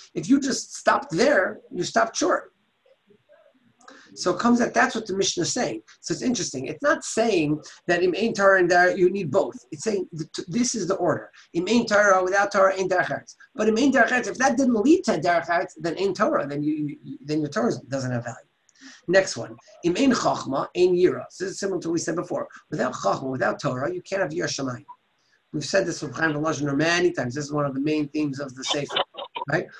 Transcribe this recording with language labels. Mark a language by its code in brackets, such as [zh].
[en] If you just stopped there, you stopped short. So it comes that that's what the Mishnah is saying. So it's interesting. It's not saying that Im Ein Torah and Derech, you need both. It's saying this is the order. [he] Im Ein Torah, [en] without Torah, [he] Ein Derech Eretz. [en] But [he] Im Ein Derech Eretz, [en] if that didn't lead to Derech Eretz, then [he] Ein Torah, [en] then your Torah doesn't have value. Next one, [he] im ein chachma, ein yira. [en] So this is similar to what we said before. Without chachma, without Torah, you can't have yirashamayim. We've said this from Chaim V'Lajner many times. This is one of the main themes of the sefer, right?